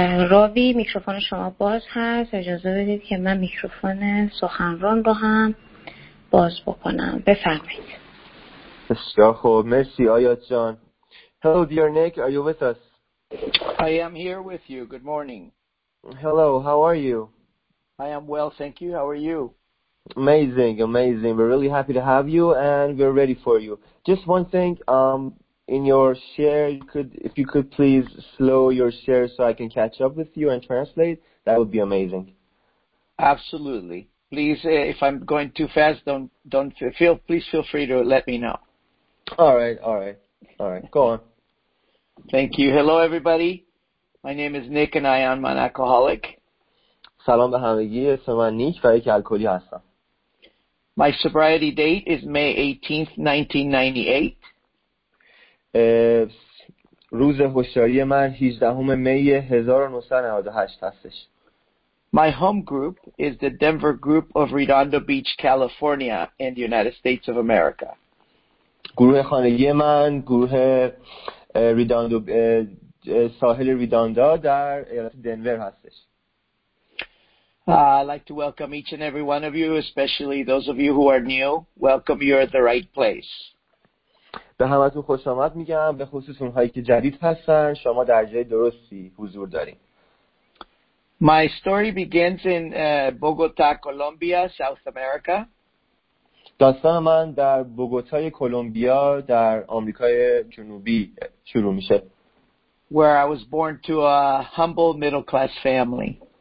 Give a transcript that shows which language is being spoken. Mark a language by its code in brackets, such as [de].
[fa] راوی میکروفون شما باز هست، اجازه بدید که من میکروفون سخنران رو هم باز بکنم. بفرمایید. بسیار خوب، مرسی آیات جان. [en] Hello dear Nick, are you with us? I am here with you. Good morning. Hello, how are you? I am well, thank you. How are you? Amazing, amazing. We're really happy to have you and we're ready for you. Just one thing, in your share, if you could please slow your share so I can catch up with you and translate, that would be amazing. Absolutely. Please, if I'm going too fast, please feel free to let me know. All right. Go on. Thank you. Hello, everybody. My name is Nick, and I am an alcoholic. [fa] سلام به همگی. اسم من نیک و یک الکلی هستم. [en] My sobriety date is May 18th, 1998. [fa] روز هوشیاری من 18 می 1998 هستش. [en] My home group is the Denver group of Redondo Beach, California in the United States of America. [fa] گروه خانگی من گروه ریداندو ساحل ریداندا در ایالت دنور هستش. [en] I'd like to welcome each and every one of you, especially those of you who are new. Welcome, you are at the right place. [fa] به همتون خوش آمد میگم، به خصوص اونهایی که جدید هستن، شما در جای درستی حضور دارین. [en] My story begins in Bogota, Colombia, South America. [fa] داستان من در بوگوتای کولومبیا در آمریکای جنوبی شروع میشه. [en] Where I was born to a humble middle class family.